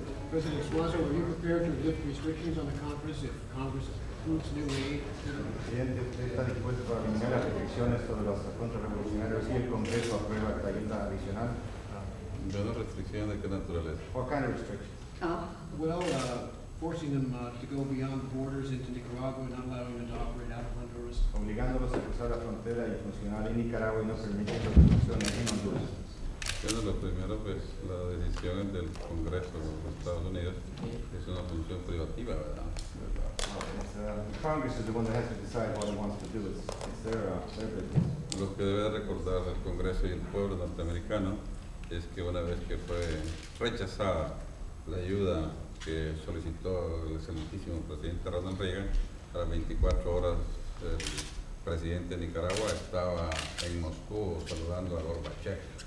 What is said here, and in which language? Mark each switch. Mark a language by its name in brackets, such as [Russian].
[English] President Suazo, are you prepared to lift restrictions on the conference if Congress approves new aid? [Spanish] Presidente, ¿usted está dispuesto a eliminar las restricciones sobre los contrarrevolucionarios si el Congreso aprueba la ayuda adicional? ¿Qué restricciones de qué naturaleza? [English] What kind of restrictions? Forcing them to go beyond the borders into Nicaragua and not allowing them to operate out of Honduras. [Spanish] Obligándolos a cruzar la frontera y funcionar en Nicaragua y no permitir que funcionen en Honduras. Bueno, lo primero, pues, la decisión del Congreso de los Estados Unidos es una función privativa, ¿verdad? [English] Okay, Congress is the one that has to decide what it wants to do. It's their business. [Spanish] Lo que debe recordar el Congreso y el pueblo norteamericano es que una vez que fue rechazada la ayuda que solicitó el excelentísimo presidente Ronald Reagan, a las 24 horas el presidente de Nicaragua estaba en Moscú saludando a Gorbachev.